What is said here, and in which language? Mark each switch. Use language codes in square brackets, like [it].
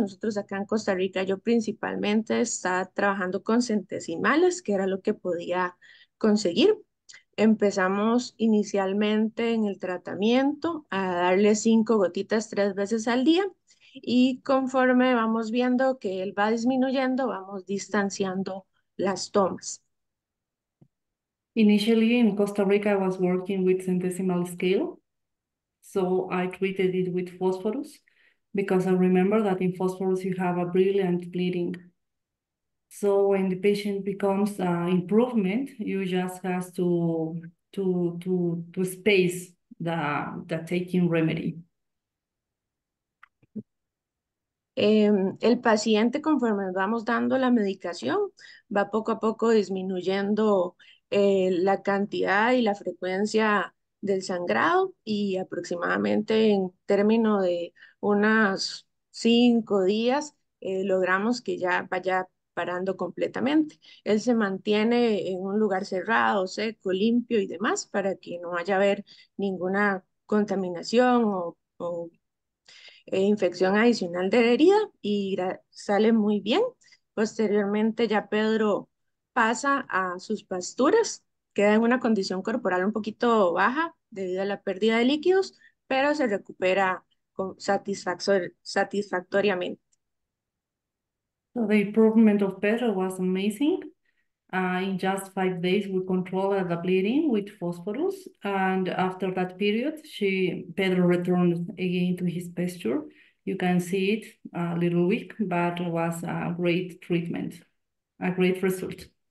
[es] Nosotros acá en Costa Rica, yo principalmente estaba trabajando con centesimales, que era lo que podía conseguir. Empezamos inicialmente en el tratamiento a darle 5 gotitas 3 veces al día y conforme vamos viendo que él va disminuyendo, vamos distanciando las tomas. [en] Initially in Costa Rica, I was working with centesimal scale. So I treated it with phosphorus because I remember that in phosphorus you have a brilliant bleeding. So when the patient becomes improvement, you just have to space the taking remedy. [es] El paciente, conforme vamos dando la medicación, va poco a poco disminuyendo la cantidad y la frecuencia del sangrado y aproximadamente en término de unos 5 días logramos que ya vaya parando completamente. Él se mantiene en un lugar cerrado, seco, limpio y demás para que no haya haber ninguna contaminación o infección adicional de la herida y sale muy bien. Posteriormente ya Pedro pasa a sus pasturas, queda en una condición corporal un poquito baja debido a la pérdida de líquidos, pero se recupera satisfactoriamente. [en] So the improvement of Pedro was amazing. In just 5 days, we controlled the bleeding with phosphorus. And after that period, Pedro returned again to his pasture. You can see it a little weak, but it was a great treatment, a great result.